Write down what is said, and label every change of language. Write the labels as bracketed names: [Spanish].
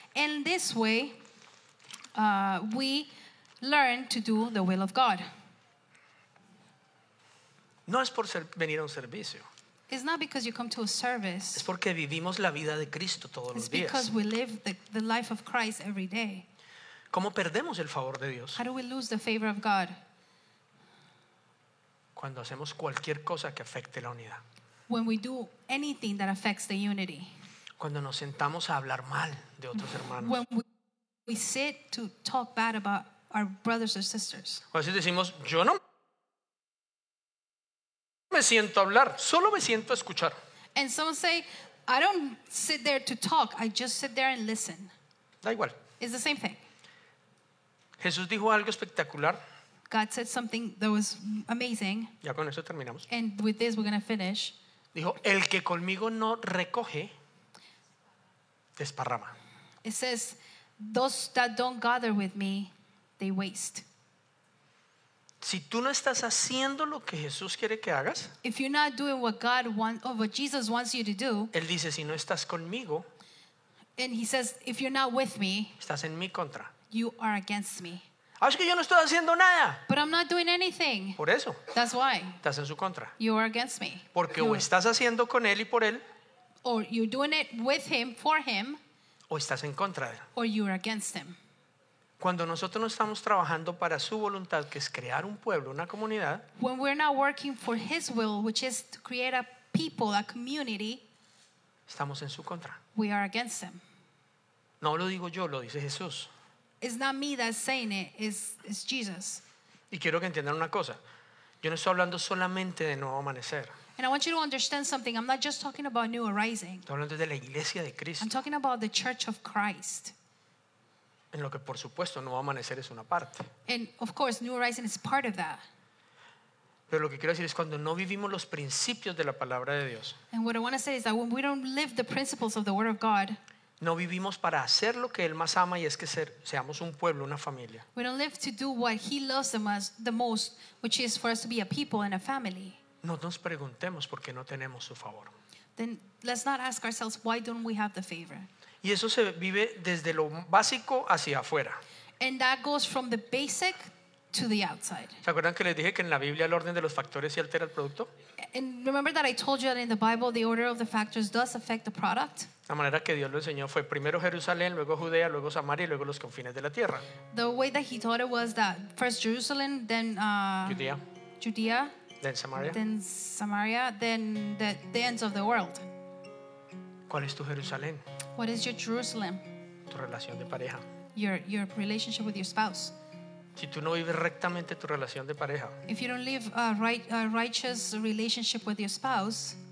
[English] In this way, we learn to do the will of God. [Spanish] No es por venir a un servicio. [English] It's not because you come to a service. [Spanish] Es porque vivimos la vida de Cristo todos [English] It's [Spanish] los días. [English] It's because we live the life of Christ every day. [Spanish] ¿Cómo perdemos el favor de Dios? [English] How do we lose the favor of God? [Spanish] Cuando hacemos cualquier cosa que afecte la unidad. [English] When we do anything that affects the unity. [Spanish] Cuando nos sentamos a hablar mal de otros hermanos. [English] When we sit to talk bad about our brothers or sisters. [Spanish] O así decimos, yo no me siento a hablar, solo me siento a escuchar. [English] And some say, I don't sit there to talk, I just sit there and listen. [Spanish] Da igual. [English] It's the same thing. [Spanish] Jesús dijo algo espectacular. [English] God said something that was amazing. [Spanish] Ya con eso terminamos. [English] And with this we're going to finish. [Spanish] Dijo, el que conmigo no recoge, desparrama. [English] It says, those that don't gather with me, they waste. [Spanish] Si tú no estás haciendo lo que Jesús quiere que hagas, [English] if you're not doing what God wants or what Jesus wants you to do, [Spanish] él dice si no estás conmigo, [English] and he says if you're not with me, [Spanish] estás en mi contra, [English] you are against me. [Spanish] Es que yo no estoy haciendo nada. [English] But I'm not doing anything. [Spanish] Por eso. [English] That's why. [Spanish] Estás en su contra. [English] You are against me. [Spanish] Porque o estás haciendo con él y por él, [English] or you're doing it with him for him, [Spanish] o estás en contra de él, [English] or you're against him. [Spanish] Cuando nosotros no estamos trabajando para su voluntad, que es crear un pueblo, una comunidad, [English] when we're not working for his will, which is to create a people, a community, [Spanish] estamos en su contra. [English] We are against him. [Spanish] No lo digo yo, lo dice Jesús. [English] It's not me that's saying it, it's Jesus. [Spanish] Y quiero que entiendan una cosa. Yo no estoy hablando solamente de Nuevo Amanecer. [English] And I want you to understand something. I'm not just talking about New Arising. [Spanish] Estoy hablando de la iglesia de Cristo. [English] I'm talking about the Church of Christ. [Spanish] En lo que, por supuesto, Nuevo Amanecer es una parte. [English] And of course, New Arising is part of that. [Spanish] Pero lo que quiero decir es cuando no vivimos los principios de la palabra de Dios. [English] And what I want to say is that when we don't live the principles of the Word of God. [Spanish] No vivimos para hacer lo que él más ama y es que seamos un pueblo, una familia. [English] We don't live to do what he loves the most, which is for us to be a people and a family. [Spanish] No nos preguntemos por qué no tenemos su favor. [English] Then let's not ask ourselves why don't we have the favor. [Spanish] Y eso se vive desde lo básico hacia afuera. [English] And that goes from the basic to the outside. [Spanish] ¿Se acuerdan que les dije que en la Biblia el orden de los factores sí altera el producto? [English] And remember that I told you that in the Bible the order of the factors does affect the product. [Spanish] La manera que Dios lo enseñó fue primero Jerusalén, luego Judea, luego Samaria y luego los confines de la tierra. [English] The way that he taught it was that first Jerusalem, then Judea, then Samaria, then the ends of the world. [Spanish] ¿Cuál es tu Jerusalén? [English] What is your Jerusalem? [Spanish] Tu relación de pareja. [English] Your relationship with your spouse. [Spanish] Si tú no vives rectamente tu relación de pareja. [English] If you don't live a righteous relationship with your spouse.